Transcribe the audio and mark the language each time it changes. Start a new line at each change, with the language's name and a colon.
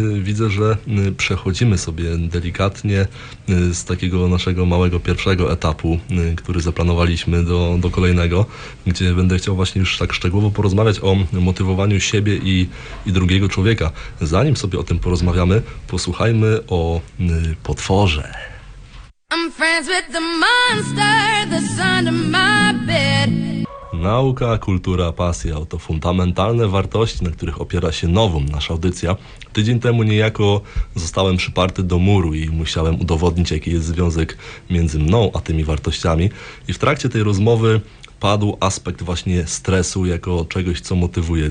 Polish: Widzę, że przechodzimy sobie delikatnie z takiego naszego małego pierwszego etapu, który zaplanowaliśmy do kolejnego, gdzie będę chciał właśnie już tak szczegółowo porozmawiać o motywowaniu siebie i drugiego człowieka. Zanim sobie o tym porozmawiamy, posłuchajmy o potworze.
English: I'm friends with the monster, the sun in my bed.
Polish: Nauka, kultura, pasja to fundamentalne wartości, na których opiera się Novum, nasza audycja. Tydzień temu niejako zostałem przyparty do muru i musiałem udowodnić, jaki jest związek między mną a tymi wartościami. I w trakcie tej rozmowy padł aspekt właśnie stresu jako czegoś, co motywuje.